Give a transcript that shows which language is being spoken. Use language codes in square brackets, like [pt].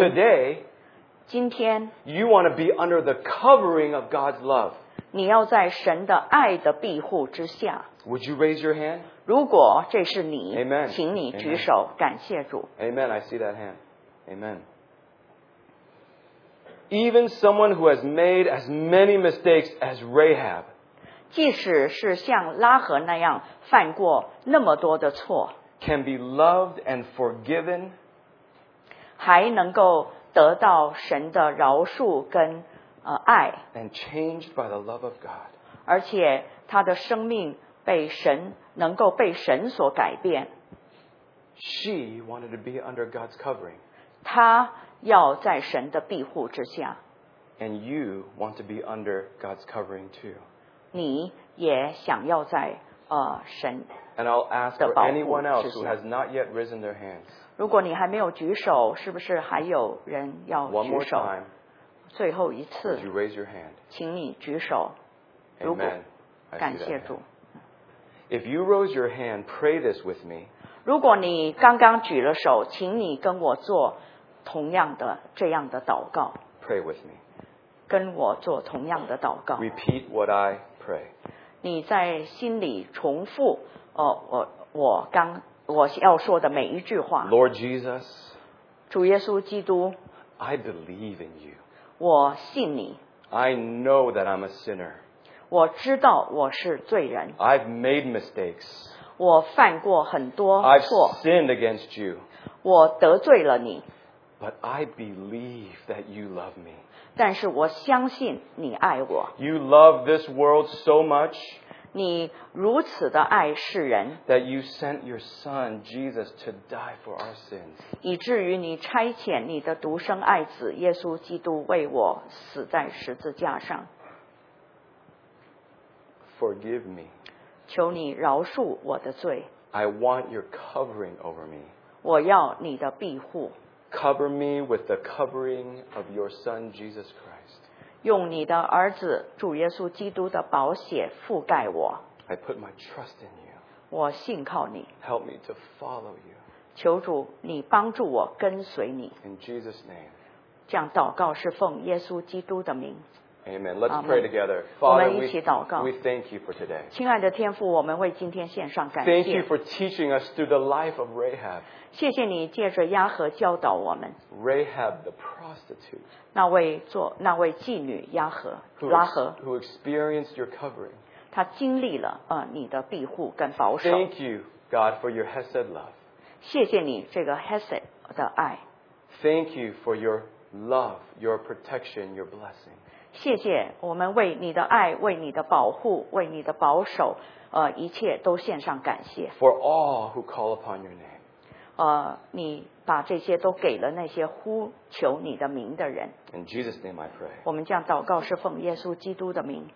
[en] And today, [zh] 今天 [en] you want to be under the covering of God's love. [zh] 你要在神的爱的庇护之下。 [en] Would you raise your hand? [zh] 如果这是你 [en] Amen. [zh] 请你举手 [en] Amen. [zh] 感谢主。 [en] Amen, I see that hand. Amen. Even someone who has made as many mistakes as Rahab, [zh] 即使是像拉合那样犯过那么多的错 [en] can be loved and forgiven, [zh] 还能够得到神的饶恕跟爱 [en] and changed by the love of God. [zh] 而且他的生命被神能够被神所改变 [en] She wanted to be under God's covering. [zh] 他要在神的庇护之下 [en] And you want to be under God's covering too. [zh] 你也想要在神的保护之下 [en] And I'll ask for anyone else who has not yet risen their hands. [zh] 如果你还没有举手是不是还有人要举手 [en] One more time. [zh] 最后一次 [en] Would you raise your hand? [zh] 请你举手 [en] Amen. [zh] 感谢主 [en] If you rose your hand, pray this with me. [zh] 如果你刚刚举了手，请你跟我做同样的这样的祷告。 [en] Pray with me. [zh] 跟我做同样的祷告。 [en] Repeat what I pray. [zh] 你在心里重复我要说的每一句话。 [en] Lord Jesus. [zh] 主耶稣基督。 [en] I believe in you. [zh] 我信你。 [en] I know that I'm a sinner. [zh] 我知道我是罪人。 [en] I've made mistakes. [zh] 我犯过很多错。 [en] I've sinned against you. [zh] 我得罪了你。 [en] But I believe that you love me. [zh] 但是我相信你爱我。 [en] You love this world so much. [zh] 你如此的爱世人。 [en] That you sent your son, Jesus, to die for our sins. [zh] 以至于你差遣你的独生爱子耶稣基督为我死在十字架上。 [en] Forgive me. [zh] 求你饶恕我的罪。 [en] I want your covering over me. [zh] 我要你的庇护。 [en] Cover me with the covering of your Son Jesus Christ. [zh] 用你的儿子主耶稣基督的宝血覆盖我。 [en] I put my trust in you. [zh] 我信靠你。 [en] Help me to follow you. [zh] 求主你帮助我跟随你。 [en] In Jesus' name. [zh] 这样祷告是奉耶稣基督的名。 [en] Amen. Let's pray together. Father, we thank you for today. [zh] 亲爱的天父，我们为今天献上感谢。 [en] Thank you for teaching us through the life of Rahab. [zh] 谢谢你借着押和教导我们。 [en] Rahab the prostitute. [zh] 那位妓女押和拉合。 [en] Who experienced your covering. [zh] 她经历了你的庇护跟保守。 [en] Thank you, God, for your hesed love. [zh] 谢谢你这个 hesed 的爱。 [en] Thank you for your love, your protection, your blessing. [zh] 谢谢我们为你的爱为你的保护为你的保守一切都献上感谢。 [en] For all who call upon your name. [zh] 你把这些都给了那些呼求你的名的人。 [en] In Jesus' name I pray. [zh] 我们这样祷告是奉耶稣基督的名。